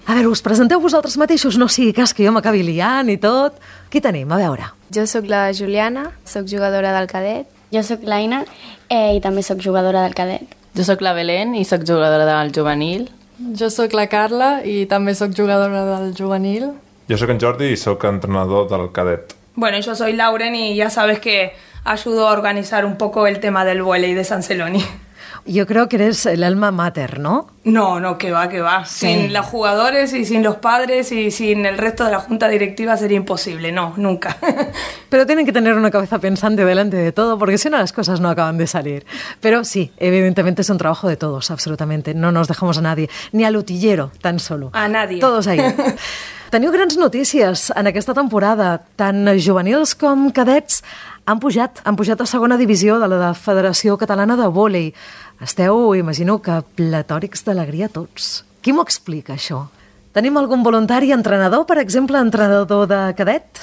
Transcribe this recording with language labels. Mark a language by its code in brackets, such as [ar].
[ca] A veure, us presenteu vosaltres mateixos, no sigui cas que jo m'acabi liant i tot. Qui tenim? A veure. Jo sóc la Juliana, sóc jugadora del cadet. Jo sóc l'Aina i també sóc jugadora del cadet. Jo sóc la Belén i sóc jugadora del juvenil. Jo sóc la Carla i també sóc jugadora del juvenil. Jo sóc en Jordi i sóc entrenador del cadet. [es] Bueno, yo soy Lauren y ya sabes que ayudo a organizar un poco el tema del vóley de San Celoni. Yo creo que eres el alma mater, ¿no? No, que va. Sí. Sin los jugadores y sin los padres y sin el resto de la junta directiva sería imposible, no, nunca. Pero tienen que tener una cabeza pensante delante de todo, porque si no las cosas no acaban de salir. Pero sí, evidentemente es un trabajo de todos, absolutamente. No nos dejamos a nadie, ni al utillero tan solo. A nadie. Todos ahí. [ca] Teniu grans notícies en aquesta temporada. Tant juvenils com cadets han pujat a segona divisió de la Federació Catalana de Vòlei. Esteu, imagino, que pletòrics d'alegria tots. Qui m'ho explica, això? Tenim algun voluntari entrenador, per exemple, entrenador de cadet?